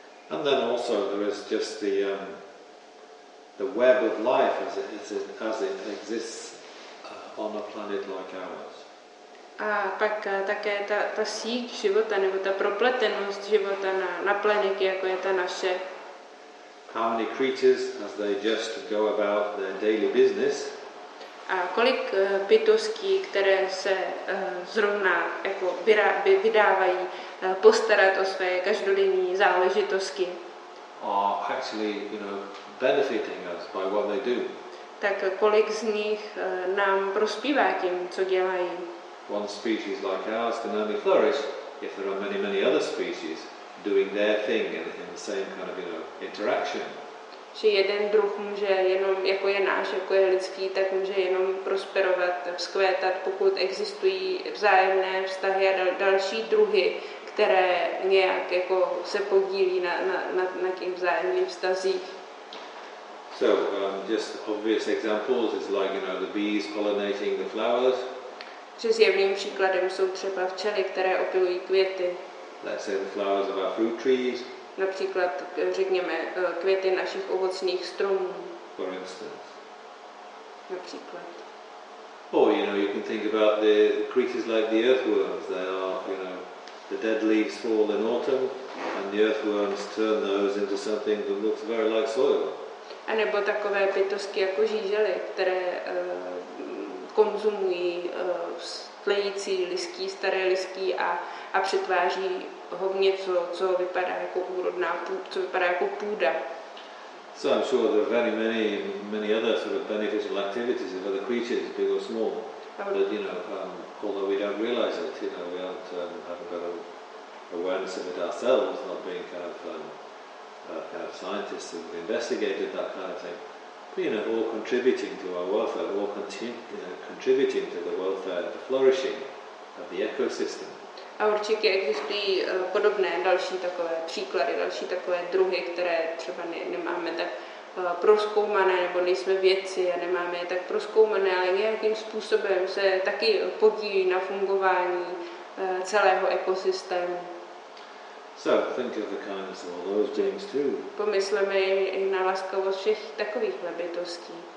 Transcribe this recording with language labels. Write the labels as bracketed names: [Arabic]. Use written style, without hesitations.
[English] And then also there is just the web of life as it exists on a planet like ours. [Czech] A pak také ta síť života nebo ta propletenost života na planetě jako je ta naše. [English] How many creatures as they just go about their daily business? [Czech] A kolik bytostí, které se zrovna jako vydávají postarat o své každodenní záležitosti. [English] Are actually, you know, benefiting us by what they do. [Czech] Tak kolik z nich nám prospívá tím, co dělají. [English] One species like ours can only flourish if there are many, many other species doing their thing in the same kind of, you know, interaction. [Czech] Že jeden druh může jenom, jako je náš, jako je lidský, tak může jenom prosperovat, vzkvétat, pokud existují vzájemné vztahy a další druhy, které nějak jako se podílí na těch vzájemných vztazích. [English] So, just obvious examples is like, you know, the bees pollinating the flowers. [Czech] Že zjevným příkladem jsou třeba včely, které opylují květy. [English] Let's say the flowers of our fruit trees. [Czech] Například, řekněme, květy našich ovocných stromů. [English] For instance. [Czech] Například. [English] Or, you know, you can think about the creatures like the earthworms. They are, you know, the dead leaves fall in autumn and the earthworms turn those into something that looks very like soil. [Czech] A nebo takové bytosti jako žížely, které konzumují tlející listí, staré listí a přetváří ho v něco, co vypadá jako úrodná, co vypadá jako půda. [English] So I'm sure there are very many, many other sort of beneficial activities of other creatures, big or small. But you know, although we don't realize it, you know, we haven't got awareness of it ourselves, not being kind of scientists and investigated that kind of thing. You know, all contributing to our welfare, all contributing to the welfare, the flourishing of the ecosystem. [Czech] A určitě existují podobné další takové příklady, další takové druhy, které třeba nemáme tak prozkoumané, nebo nejsme vědci a nemáme je tak prozkoumané, ale nějakým způsobem se taky podílí na fungování celého ekosystému. [English] So think of the kindness of all those beings too. [Czech] Pomysleme i na laskavost všech takových bytostí.